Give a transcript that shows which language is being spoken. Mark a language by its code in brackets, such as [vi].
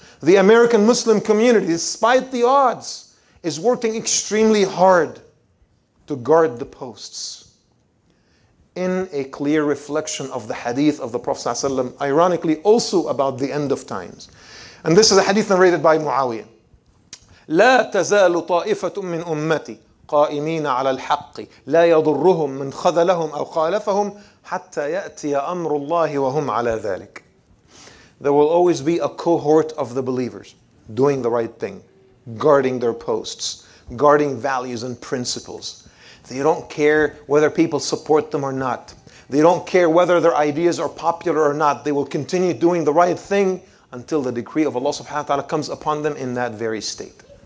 [en] The American Muslim community, despite the odds, is working extremely hard to guard the posts. In a clear reflection of the hadith of the Prophet sallallahu alaihi wasallam, ironically also about the end of times. And this is a hadith narrated by Muawiyah. [ar] لَا تَزَالُ طَائِفَةٌ مِّنْ أُمَّتِي قائمين على الحق لا يضرهم من خذلهم أو خالفهم حتى يأتي أمر الله وهم على ذلك. [en] There will always be a cohort of the believers doing the right thing, guarding their posts, guarding values and principles. They don't care whether people support them or not. They don't care whether their ideas are popular or not. They will continue doing the right thing until the decree of Allah subhanahu wa ta'ala comes upon them in that very state.